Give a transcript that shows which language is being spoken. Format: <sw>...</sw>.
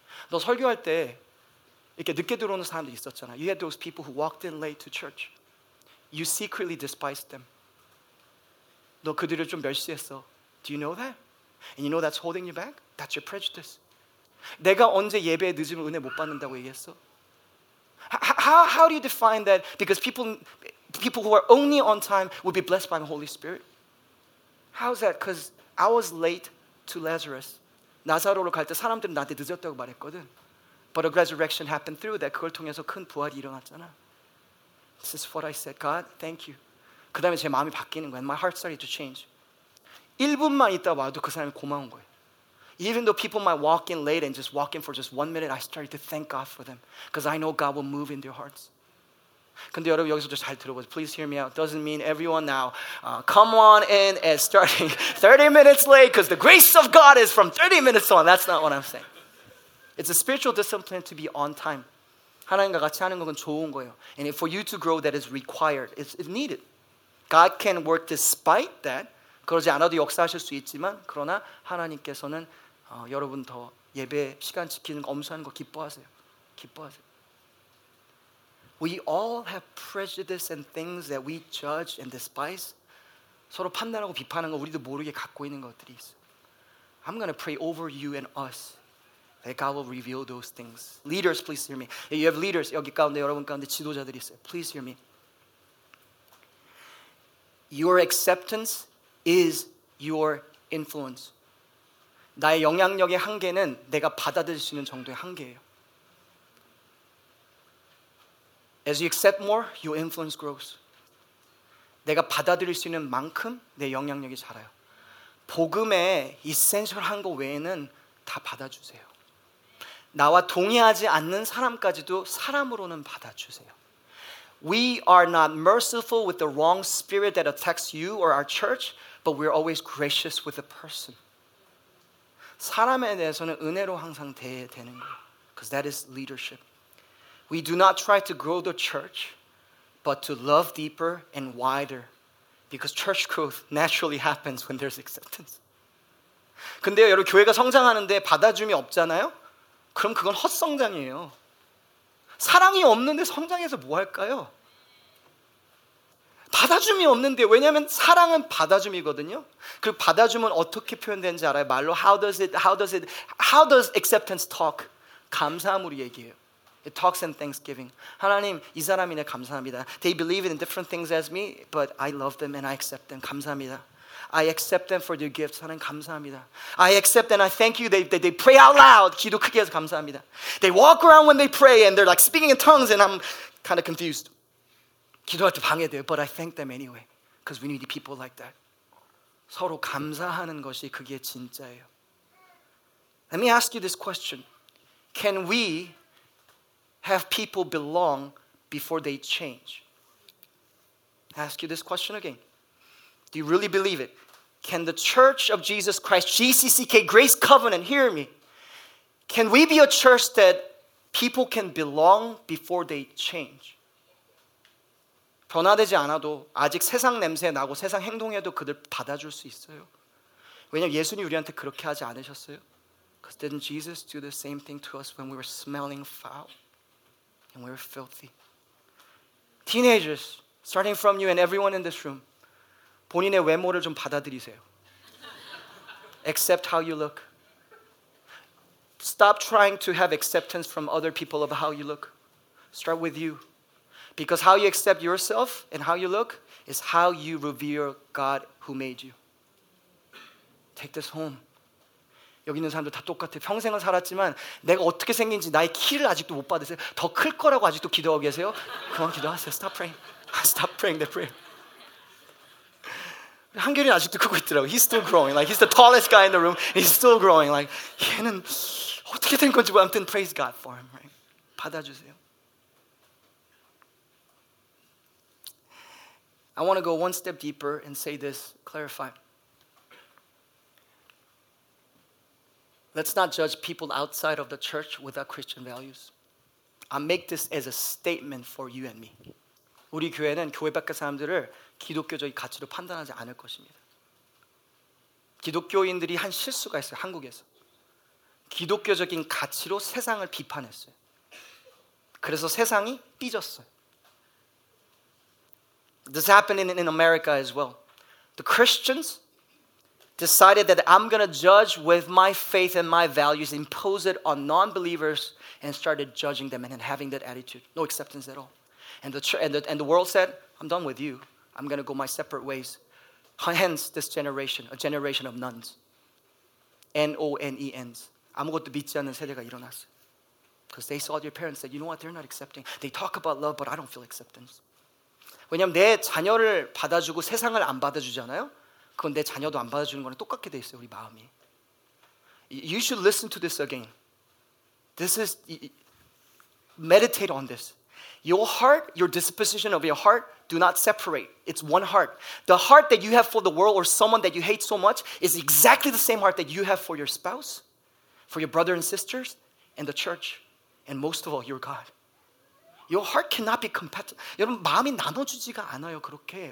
<ko>너 설교할 때 이렇게 늦게 들어오는 사람들이 있었잖아.</ko> <en>You had those people who walked in late to church. You secretly despised them.</en> <ko>너 그들을 좀 멸시했어.</ko> <en>Do you know that? And you know that's holding you back? That's your prejudice.</en> <ko>내가 언제 예배에 늦으면 은혜 못 받는다고 얘기했어?</ko> <en>How do you define that? Because people who are only on time would be blessed by the Holy Spirit. How's that? Because I was late to Lazarus.</en> <ko>나사로로 갈 때 사람들은 나한테 늦었다고 말했거든.</ko> <en>But a resurrection happened through that.</en> <ko>그걸 통해서 큰 부활이 일어났잖아.</ko> <en>This is what I said. God, thank you.</en> <ko>그 다음에 제 마음이 바뀌는 거예요.</ko> <en>My heart started to change.</en> <ko>1분만 있다 와도 그 사람이 고마운 거예요.</ko> <en>Even though people might walk in late and just walk in for just 1 minute, I started to thank God for them. Because I know God will move in their hearts.</en> <ko>근데 여러분 여기서 잘 들어보세요.</ko> <en>Please hear me out. Doesn't mean everyone now come on in and starting 30 minutes late because the grace of God is from 30 minutes on. That's not what I'm saying. It's a spiritual discipline to be on time.</en> <ko>하나님과 같이 하는 건 좋은 거예요.</ko> <en>And for you to grow, that is required. It's needed. God can work despite that.</en> <ko>그러지 않아도 역사하실 수 있지만 그러나 하나님께서는 여러분 더 예배 시간 지키는 거 엄수하는 거 기뻐하세요. 기뻐하세요.</ko> <en>We all have prejudice and things that we judge and despise.</en> <ko>서로 판단하고 비판하는 거 우리도 모르게 갖고 있는 것들이 있어.</ko> <en>I'm going to pray over you and us that God will reveal those things. Leaders, please hear me. You have leaders</en> <ko>여기 가운데 여러분 가운데 지도자들이 있어요.</ko> <en>Please hear me. Your acceptance is your influence.</en> <ko>나의 영향력의 한계는 내가 받아들일 수 있는 정도의 한계예요.</ko> <en>As you accept more, your influence grows.</en> <ko>내가 받아들일 수 있는 만큼 내 영향력이 자라요. 복음의 이센셜한 거 외에는 다 받아주세요. 나와 동의하지 않는 사람까지도 사람으로는 받아주세요.</ko> <en>We are not merciful with the wrong spirit that attacks you or our church, but we're always gracious with the person.</en> <ko>사람에 대해서는 은혜로 항상 대되는 거예요.</ko> <en>Because that is leadership. We do not try to grow the church, but to love deeper and wider. Because church growth naturally happens when there's acceptance.</en> <ko>근데 여러분, 교회가 성장하는데 받아줌이 없잖아요? 그럼 그건 헛성장이에요. 사랑이 없는데 성장해서 뭐 할까요? 받아줌이 없는데, 왜냐면 사랑은 받아줌이거든요? 그리고 받아줌은 어떻게 표현되는지 알아요?</ko> <en>말로, how does acceptance talk?</en> <ko>감사함으로 얘기해요.</ko> <en>It talks in thanksgiving.</en> <ko>하나님, 이 사람이네 감사합니다.</ko> <en>They believe in different things as me, but I love them and I accept them.</en> <ko>감사합니다.</ko> <en>I accept them for their gifts.</en> <ko>하나님 감사합니다.</ko> <en>I accept and I thank you. They pray out loud.</en> <ko>기도 크게 해서 감사합니다.</ko> <en>They walk around when they pray and they're like speaking in tongues and I'm kind of confused.</en> <ko>기도할 때 방해돼요.</ko> <en>But I thank them anyway. Because we need people like that.</en> <ko>서로 감사하는 것이 그게 진짜예요.</ko> <en>Let me ask you this question. Can we have people belong before they change? I ask you this question again. Do you really believe it? Can the Church of Jesus Christ, GCCK, Grace Covenant, hear me. Can we be a church that people can belong before they change?</en> <ko>변화되지 않아도 아직 세상 냄새 나고 세상 행동해도 그들 받아줄 수 있어요. 왜냐면 예수님 우리한테 그렇게 하지 않으셨어요?</ko> <en>Because didn't Jesus do the same thing to us when we were smelling foul? And we were filthy. Teenagers, starting from you and everyone in this room,</en> <ko>본인의 외모를 좀 받아들이세요.</ko> <en>Accept how you look. Stop trying to have acceptance from other people of how you look. Start with you. Because how you accept yourself and how you look is how you revere God who made you. Take this home.</en> <ko>여기 있는 사람들 다 똑같아요. 평생을 살았지만 내가 어떻게 생긴지 나의 키를 아직도 못 받으세요. 더 클 거라고 아직도 기도하고 계세요. 그만 기도하세요.</ko> <en>Stop praying. Stop praying the prayer.</en> <ko>한결이 아직도 크고 있더라고.</ko> <en>He's still growing. Like he's the tallest guy in the room. He's still growing. Like</en> <ko>얘는 어떻게 된 건지 뭐 아무튼</ko> <en>praise God for him. Right?</en> <ko>받아주세요.</ko> <en>I want to go one step deeper and say this, clarify. Let's not judge people outside of the church without Christian values. I make this as a statement for you and me.</en> <ko>우리 교회는 교회 밖의 사람들을 기독교적인 가치로 판단하지 않을 것입니다. 기독교인들이 한 실수가 있어요. 한국에서 기독교적인 가치로 세상을 비판했어요. 그래서 세상이 삐졌어요.</ko> <en>This happened in America as well. The Christians decided that I'm going to judge with my faith and my values, impose it on non-believers, and started judging them and having that attitude. No acceptance at all. And the world said, I'm done with you. I'm going to go my separate ways. Hence this generation, a generation of nuns. N-O-N-E-Ns.</en> <ko>아무것도 믿지 않는 세대가 일어났어.</ko> <en>Because they saw their parents said, you know what, they're not accepting. They talk about love, but I don't feel acceptance.</en> <ko>왜냐하면 내 자녀를 받아주고 세상을 안 받아주잖아요. 그건 내 자녀도 안 받아주는 거랑 똑같게 돼 있어요. 우리 마음이.</ko> <en>You should listen to this again. This is meditate on this. Your heart, your disposition of your heart, do not separate. It's one heart. The heart that you have for the world or someone that you hate so much is exactly the same heart that you have for your spouse, for your brother and sisters, and the church, and most of all, your God. Your heart cannot be compatible.</en> <ko>여러분, 마음이 나눠주지가 않아요, 그렇게.</ko>